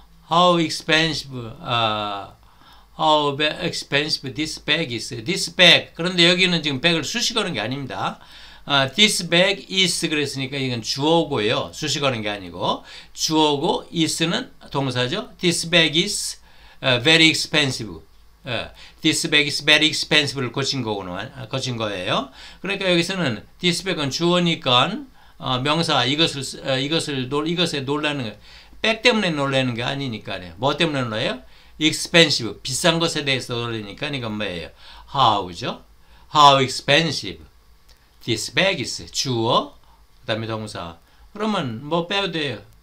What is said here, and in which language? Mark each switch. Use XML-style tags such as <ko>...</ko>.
<en>How expensive, how expensive this bag is. This bag.</en> <ko>그런데 여기는 지금 bag을 수식하는 게 아닙니다.</ko> <en>This bag is</en> <ko>그랬으니까 이건 주어고요. 수식하는 게 아니고. 주어고, is는 동사죠.</ko> <en>This bag is very expensive. This bag is very expensive를</en> <ko>거친 거예요. 그러니까 여기서는 this bag은 주어니까 명사 이것에 놀라는 거, bag 때문에 놀라는 게 아니니까요. 뭐 때문에 놀라요? expensive 비싼 것에 대해서 놀라니까 이건 뭐예요? How죠?</ko> <en>How expensive this bag is</en> <ko>주어 그다음에 동사 그러면 뭐 빼야 돼요?</ko>